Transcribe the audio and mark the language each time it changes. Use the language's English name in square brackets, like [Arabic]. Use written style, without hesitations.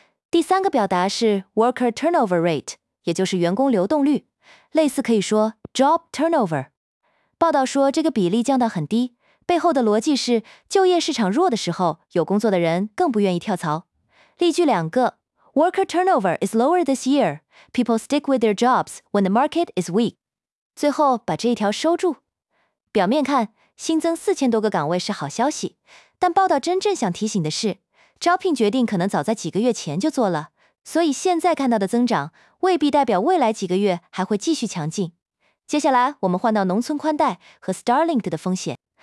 [Chinese] 第三个表达是 worker turnover rate， 也就是员工流动率，类似可以说job turnover。报道说这个比例降到很低，背后的逻辑是就业市场弱的时候，有工作的人更不愿意跳槽。例句两个。 [English] Worker turnover is lower this year. People stick with their jobs when the market is weak. [Chinese] 最后把这一条收住。表面看新增4000多个岗位是好消息，但报道真正想提醒的是，招聘决定可能早在几个月前就做了，所以现在看到的增长未必代表未来几个月还会继续强劲。接下来我们换到农村宽带和 Starlink 的风险。